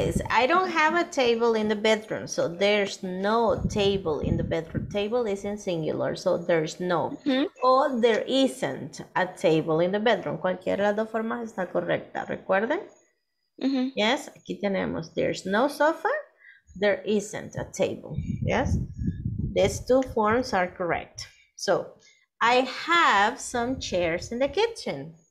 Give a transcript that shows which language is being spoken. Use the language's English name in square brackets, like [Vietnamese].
[English] I don't have a table in the bedroom, so there's no table in the bedroom. Table is in singular, so there's no. Mm-hmm. Or there isn't a table in the bedroom. [Spanish] Cualquiera de las dos formas está correcta, ¿recuerden? Mm-hmm. [English] Yes, [Spanish] aquí tenemos, [English] there's no sofa, there isn't a table. Yes, these two forms are correct. So, I have some chairs in the kitchen.